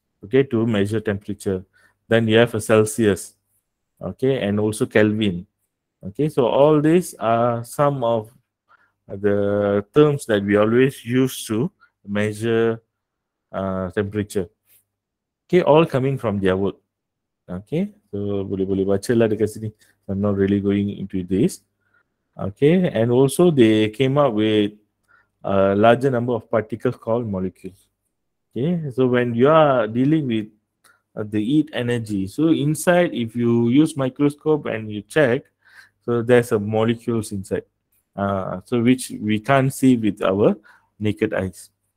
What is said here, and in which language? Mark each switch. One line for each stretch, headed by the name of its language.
English: Okay, to measure temperature, then you have a Celsius. Okay, and also Kelvin. Okay, so all these are some of the terms that we always use to measure temperature. Okay, all coming from their work.
Malay: Okay, so boleh-boleh baca lah dekat sini.
English: I'm not really going into this. Okay, and also they came up with a larger number of particles called molecules. Okay, so when you are dealing with the heat energy, so inside, if you use microscope and you check, so there's a molecules inside, so which we can't see with our naked eyes.